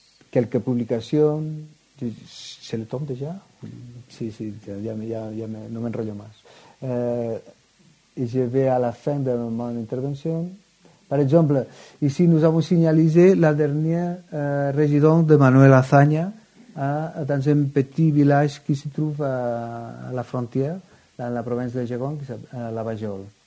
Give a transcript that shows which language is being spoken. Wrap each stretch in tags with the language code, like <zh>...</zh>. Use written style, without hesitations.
<fr>Quelques publications, c'est le temps déjà?</fr> <es>Sí, ya me, no me enrollo más.</es> <fr>Et je vais à la fin de mon intervention. Par exemple, ici nous avons signalisé la dernière résidence de Manuel Azaña dans un petit village qui se trouve à la frontière, dans la province de Gégon, qui s'appelle la Bajol.</fr>